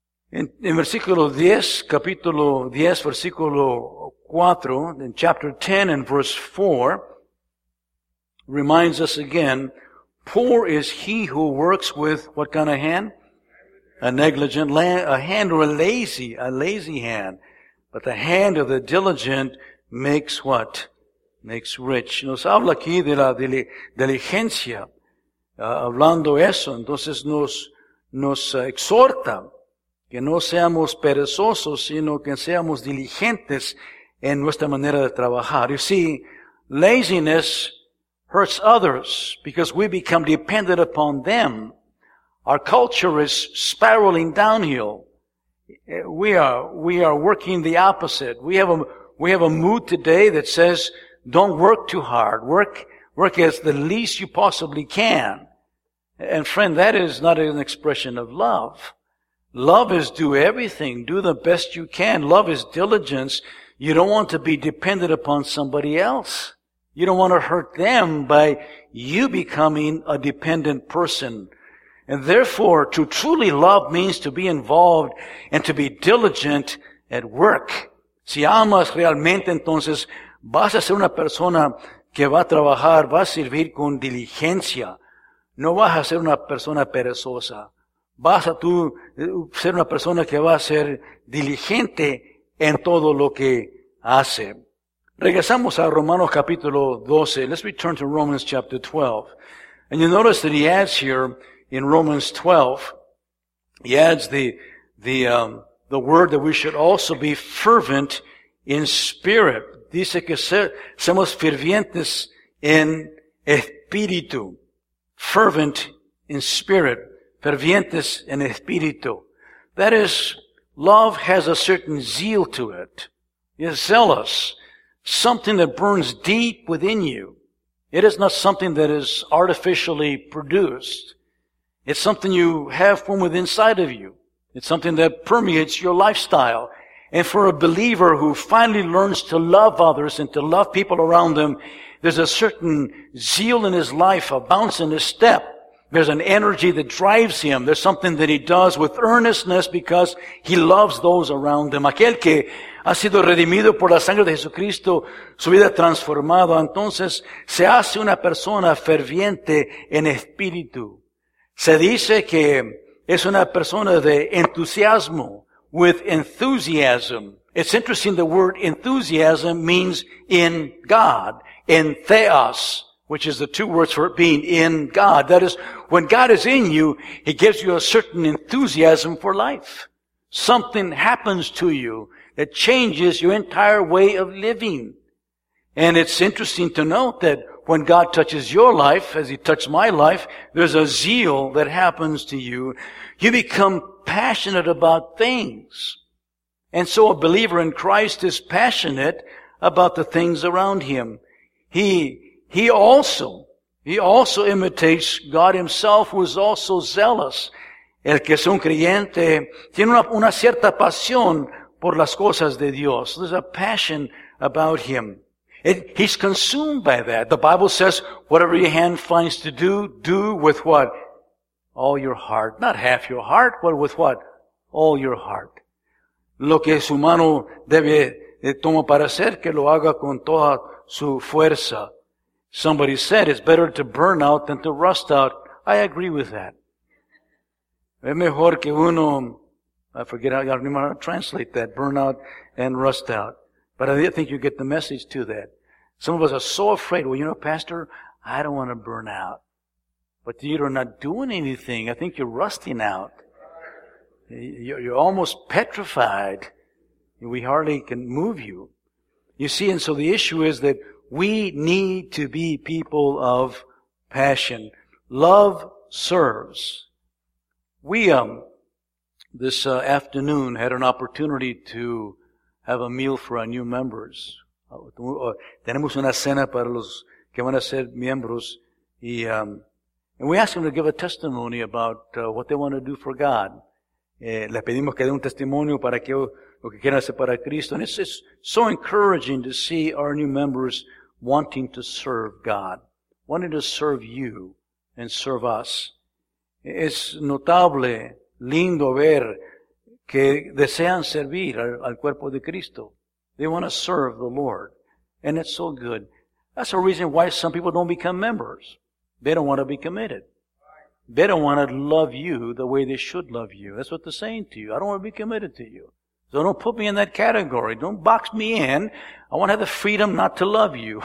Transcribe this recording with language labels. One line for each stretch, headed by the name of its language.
Spanish: En versículo 10, capítulo 10, versículo 4,
English: in chapter 10 and verse 4, reminds us again, poor is he who works with what kind of hand? A negligent hand, or a lazy hand. But the hand of the diligent makes what? Makes rich.
Spanish: Nos habla aquí de la diligencia, hablando eso. Entonces nos exhorta que no seamos perezosos, sino que seamos diligentes en nuestra manera de trabajar.
English: You see, laziness hurts others because we become dependent upon them. Our culture is spiraling downhill. We are working the opposite. We have a mood today that says, don't work too hard. Work as the least you possibly can. And friend, that is not an expression of love. Love is do everything. Do the best you can. Love is diligence. You don't want to be dependent upon somebody else. You don't want to hurt them by you becoming a dependent person. And therefore, to truly love means to be involved and to be diligent at work.
Spanish: Si amas realmente, entonces, vas a ser una persona que va a trabajar, va a servir con diligencia. No vas a ser una persona perezosa. Vas a tú ser una persona que va a ser diligente en todo lo que hace. Regresamos a Romanos capítulo 12.
English: Let's return to Romans chapter 12. And you notice that he adds here in Romans 12, he adds the word that we should also be fervent in spirit.
Spanish: Dice que seamos fervientes en espíritu.
English: Fervent in spirit.
Spanish: Fervientes en espíritu.
English: That is, love has a certain zeal to it. It's zealous. Something that burns deep within you. It is not something that is artificially produced. It's something you have from within inside of you. It's something that permeates your lifestyle. And for a believer who finally learns to love others and to love people around them, there's a certain zeal in his life, a bounce in his step. There's an energy that drives him. There's something that he does with earnestness because he loves those around him.
Spanish: Aquel que ha sido redimido por la sangre de Jesucristo, su vida transformada, entonces se hace una persona ferviente en espíritu. Se dice que es una persona de entusiasmo,
English: with enthusiasm. It's interesting, the word enthusiasm means in God, in theos, which is the two words for being in God. That is, when God is in you, he gives you a certain enthusiasm for life. Something happens to you that changes your entire way of living. And it's interesting to note that when God touches your life, as He touched my life, there's a zeal that happens to you. You become passionate about things. And so a believer in Christ is passionate about the things around him. He also imitates God Himself, who is also zealous.
Spanish: El que es un creyente tiene una cierta pasión por las cosas de Dios.
English: There's a passion about him. He's consumed by that. The Bible says, whatever your hand finds to do, do with what? All your heart. Not half your heart, but with what? All your heart.
Spanish: Lo que su mano debe tomar para hacer, que lo haga con toda su fuerza.
English: Somebody said, it's better to burn out than to rust out. I agree with that.
Spanish: Es mejor que uno,
English: I forget how you want to translate that, burn out and rust out. But I think you get the message to that. Some of us are so afraid. Well, you know, Pastor, I don't want to burn out. But you're not doing anything. I think you're rusting out. You're almost petrified. We hardly can move you. You see, and so the issue is that we need to be people of passion. Love serves. We this afternoon had an opportunity to have a meal for our new members.
Spanish: Tenemos una cena para los que van a ser miembros.
English: And we asked them to give a testimony about what they want to do for God.
Spanish: Les pedimos que den un testimonio para que lo que quieran hacer para Cristo.
English: And it's so encouraging to see our new members wanting to serve God, wanting to serve you and serve us.
Spanish: Es notable, lindo ver que desean servir al cuerpo de Cristo.
English: They want to serve the Lord. And it's so good. That's the reason why some people don't become members. They don't want to be committed. They don't want to love you the way they should love you. That's what they're saying to you. I don't want to be committed to you. So don't put me in that category. Don't box me in. I want to have the freedom not to love you.